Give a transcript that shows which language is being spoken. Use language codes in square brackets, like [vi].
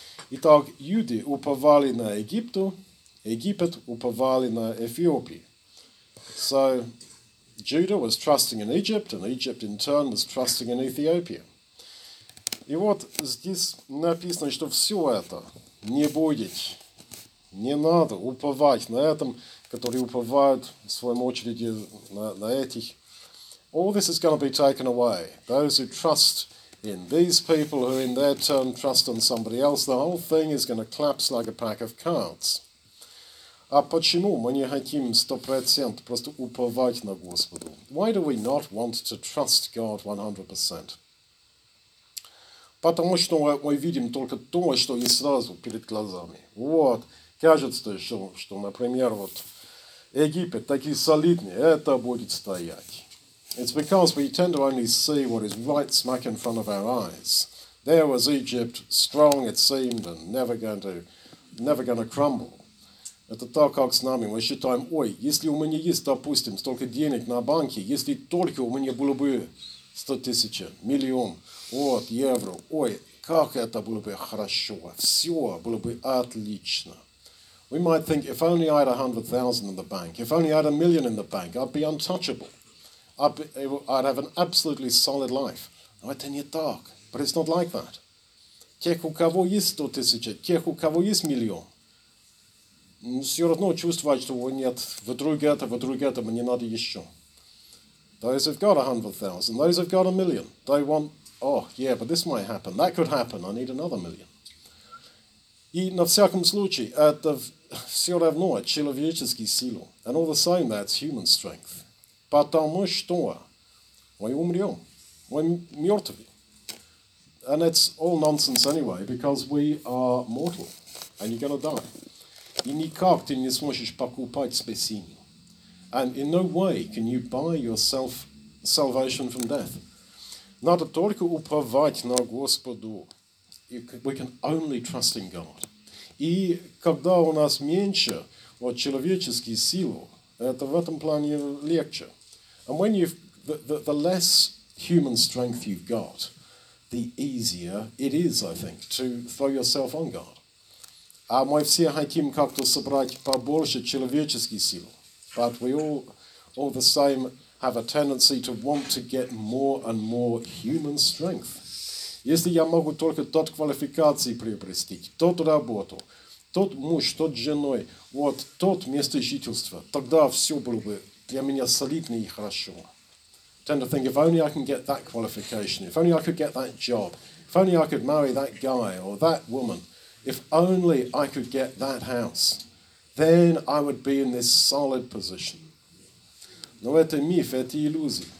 [ru] Итак, юды уповали на Египту, Египет уповали на Эфиопии. [en] So, Judah was trusting in Egypt, and Egypt in turn was trusting in Ethiopia. [ru] И вот здесь написано, что все это не будет. Не надо уповать на этом, которые уповают в своем очереди на этих. [en] All this is going to be taken away. Those who trust in these people, who in their turn trust on somebody else, the whole thing is going to collapse like a pack of cards. [ru] А почему мы не хотим 100% просто уповать на Господа? [en] Why do we not want to trust God 100%? [ru] Потому что мы видим только то, что есть сразу перед глазами. Вот. Кажется, что, например, вот Египет такие солидные, это будет стоять. [en] It's because we tend to only see what is right smack in front of our eyes. There was Egypt, strong it seemed, and never going to crumble. [ru] Это так, как с нами. Мы считаем, ой, если у меня есть, допустим, столько денег на банке, если только у меня было бы 100 тысяч, миллион, вот, евро, ой, как это было бы хорошо, все было бы отлично. [en] We might think, if only I had 100,000 in the bank, if only I had 1,000,000 in the bank, I'd be untouchable. I'd have an absolutely solid life. [ru] Но это не так. [en] But it's not like that. [ru] Тех, у кого есть 100 тысяч, тех, у кого есть миллион, все равно чувствовать, что нет, вдруг это, мне надо еще. [en] Those who've got 100,000, those who've got 1,000,000, they want, oh, yeah, but this might happen, that could happen, I need another 1,000,000. [ru] И на всяком случае, это все равно человеческие силы. [en] And all the same, that's human strength. [ru] Потому что мы умрем, мы мертвы. [en] And it's all nonsense anyway, because we are mortal, and you're going to die. [ru] И никак ты не сможешь покупать спасение. [en] And in no way can you buy yourself salvation from death. [ru] Надо только уповать на Господу. [en] We can only trust in God. [ru] И когда у нас меньше вот человеческие силы, это в этом плане легче. [en] And when you've, the less human strength you've got, the easier it is, I think, to throw yourself on God. [ru] А мы все хотим как-то собрать побольше человеческих сил. [en] But we all the same, have a tendency to want to get more and more human strength. [ru] Если я могу только тот квалификации приобрести, тот работу, тот муж, тот женой, вот тот место жительства, тогда все было бы для меня солидно и хорошо. [en] Tend to think, if only I can get that qualification, if only I could get that job, if only I could marry that guy or that woman, if only I could get that house, then I would be in this solid position. [ru] Но это миф, это иллюзия.